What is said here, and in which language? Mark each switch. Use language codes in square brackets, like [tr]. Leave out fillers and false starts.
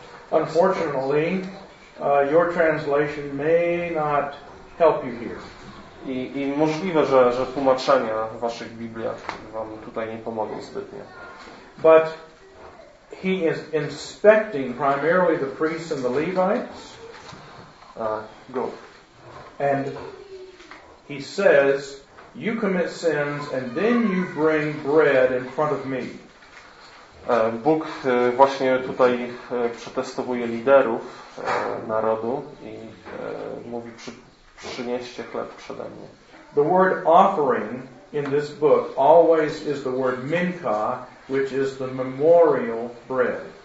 [en] Unfortunately, your translation may not help you here. [pl] I możliwe, że tłumaczenia w waszych Bibliach wam tutaj nie pomogą zbytnio. [en] But he is inspecting primarily the priests and the Levites. And he says, you commit sins and then you bring bread in front of me. [pl] Bóg właśnie tutaj przetestowuje liderów narodu i mówi, przynieście chleb przede mnie. [en] The word offering in this book always is the word mincha, which is the memorial bread.